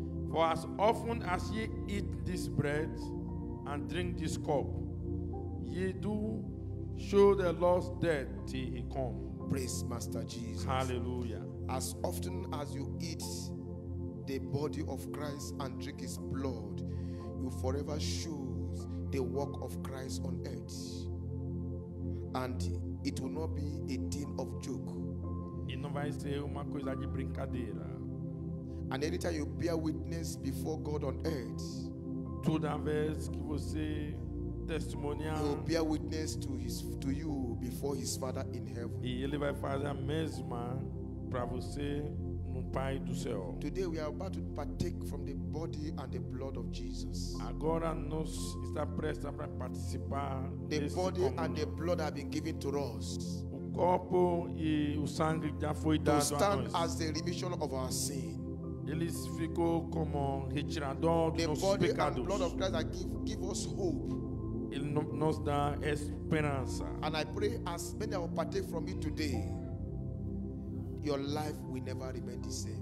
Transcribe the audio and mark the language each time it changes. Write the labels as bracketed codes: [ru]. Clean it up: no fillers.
[en] For as often as ye eat this bread and drink this cup, ye do show the Lord's death till he come. Praise Master Jesus. Hallelujah. As often as you eat the body of Christ and drink his blood, you forever show the work of Christ on earth. And it will not be a thing of joke. [pt] E não vai ser uma coisa de brincadeira. [en] And every time you bear witness before God on earth, [pt] toda vez que você testemunha, [en] he will bear witness to you before his Father in heaven. [pt] E ele vai fazer a mesma para você no Pai do céu. [en] Today we are about to partake from the body and the blood of Jesus. [pt] Agora nós está prestes para participar. [en] The body and the blood have been given to us. [pt] Corpo e o sangue já foi dado a nós. [en] To stand as the remission of our sin. [pt] Eles ficou como retirador dos nossos pecados. [en] The body and blood of Christ that give us hope. [pt] Ele nos dá esperança. [en] And I pray as many of you partake from it today, your life will never remain the same.